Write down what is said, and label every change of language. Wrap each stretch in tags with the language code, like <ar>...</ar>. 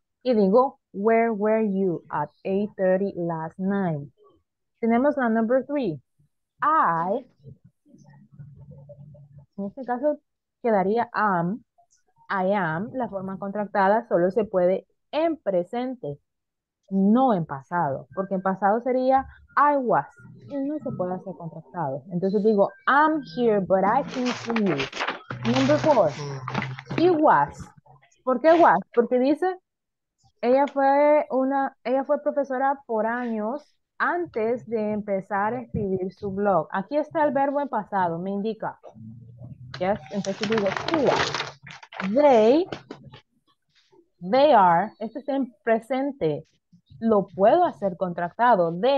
<es>Y digo,</es> <en>where were you at 8:30 last night?</en> <es>Tenemos la</es> <en>number three.</en> <es>I, en este caso quedaría am, I am, la forma contractada solo se puede en presente, no en pasado, porque en pasado sería</es> <en>I was,</en> <es>y no se puede hacer contractado. Entonces digo,</es> <en>I'm here, but I can see you. Number four, she was.</en> <es>¿Por qué</es> <en>was?</en> <es>Porque dice, ella fue profesora por años antes de empezar a escribir su blog. Aquí está el verbo en pasado, me indica.</es> <en>Yes,</en> <es>entonces digo,</es> <en>she was. They are,</en> <es>esto está en presente, lo puedo hacer contractado.</es>